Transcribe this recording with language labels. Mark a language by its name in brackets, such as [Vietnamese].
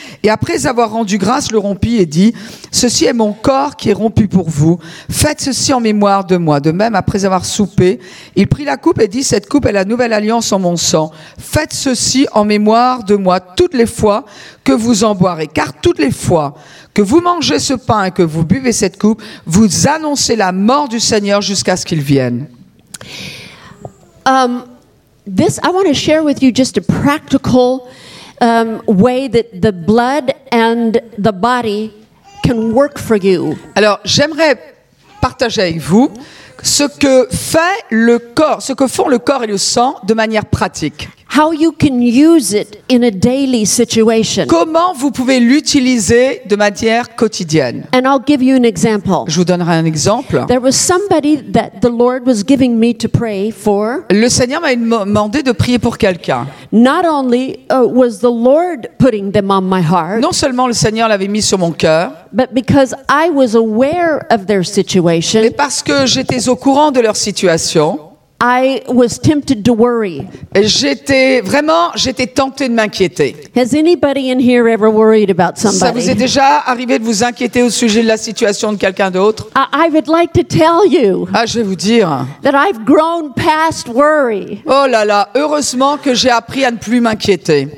[French] et après avoir rendu grâce, le rompit et dit, ceci est mon corps qui est rompu pour vous, faites ceci en mémoire de moi. De même, après avoir soupé, il prit la coupe et dit, cette coupe est la nouvelle alliance en mon sang, faites ceci en mémoire de moi toutes les fois que vous en boirez, car toutes les fois que vous mangez ce pain et que vous buvez cette coupe, vous annoncez la mort du Seigneur jusqu'à ce qu'il vienne. [English] This I want to share with you just a practical way that the blood and the body can work for you. [French] Alors, j'aimerais partager avec vous ce que font le corps et le sang de manière pratique. [English] How you can use it in a daily situation. [French] Comment vous pouvez l'utiliser de manière quotidienne? [English] And I'll give you an example. [French] Je vous donnerai un exemple. [English] There was somebody that the Lord was giving me to pray for. [French] Le Seigneur m'a demandé de prier pour quelqu'un. [English] Not only was the Lord putting them on my heart. [French] Non seulement le Seigneur l'avait mis sur mon cœur. [English] But because I was aware of their situation. [French] Mais parce que j'étais au courant de leur situation. [English] I was tempted to worry. [French] J'étais tentée de m'inquiéter. [English] Has anybody in here ever worried about somebody? [French] Ça vous est déjà arrivé de vous inquiéter au sujet de la situation de quelqu'un d'autre? [English] I would like to tell you. [French] Ah, je vais vous dire. [English] That I've grown past worry. [French] Oh là là, heureusement que j'ai appris à ne plus m'inquiéter.